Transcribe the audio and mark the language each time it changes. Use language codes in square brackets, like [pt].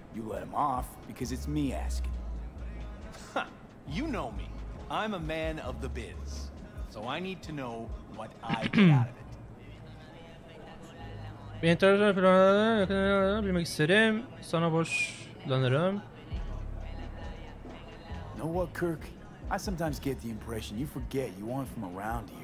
[en] You let him off because it's me asking. You know me. I'm a man of the biz. So I need to know what I get out of it. [tr] Bir enteresan planlarını bilmek isterim. Sana borçlanırım. [en] Know what, Kirk? I sometimes get the impression you forget you aren't from around here.